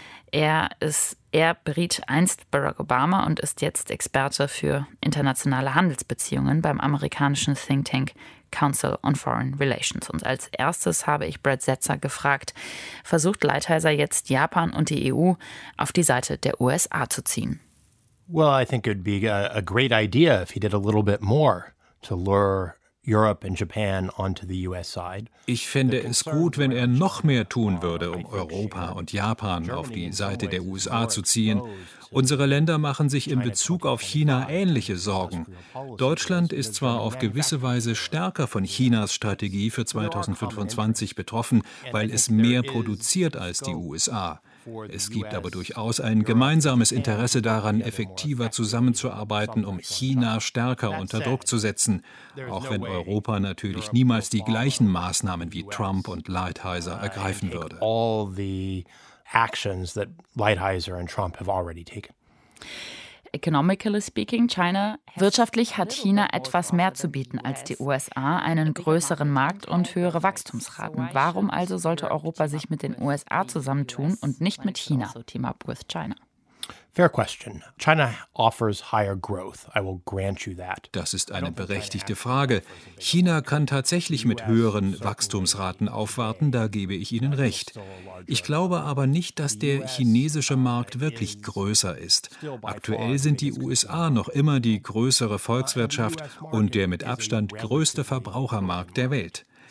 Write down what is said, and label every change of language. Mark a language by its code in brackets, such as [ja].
[de] Er beriet einst Barack Obama und ist jetzt Experte für internationale Handelsbeziehungen beim amerikanischen Think Tank Council on Foreign Relations. Und als erstes habe ich Brad Setzer gefragt, versucht Lighthizer jetzt Japan und die EU auf die Seite der USA zu ziehen? [en] Well, I think it would be a great idea if he did a little bit more to lure Europe and Japan onto the US side. [de] Ich fände es gut, wenn er noch mehr tun würde, um Europa und Japan auf die Seite der USA zu ziehen. Unsere Länder machen sich in Bezug auf China ähnliche Sorgen. Deutschland ist zwar auf gewisse Weise stärker von Chinas Strategie für 2025 betroffen, weil es mehr produziert als die USA. Es gibt aber durchaus ein gemeinsames Interesse daran, effektiver zusammenzuarbeiten, um China stärker unter Druck zu setzen, auch wenn Europa natürlich niemals die gleichen Maßnahmen wie Trump und Lighthizer ergreifen würde. [en] All the actions that Lighthizer and Trump have already taken. Economically speaking, China. [de] Wirtschaftlich hat China etwas mehr zu bieten als die USA, einen größeren Markt und höhere Wachstumsraten. Warum also sollte Europa sich mit den USA zusammentun und nicht mit China? [en] Team up with China. Fair question. China offers higher growth. I will grant you that. [de] Das ist eine berechtigte Frage. China kann tatsächlich mit höheren Wachstumsraten aufwarten, da gebe ich Ihnen recht. Ich glaube aber nicht, dass der chinesische Markt wirklich größer ist. Aktuell sind die USA noch immer die größere Volkswirtschaft und der mit Abstand größte Verbrauchermarkt der Welt.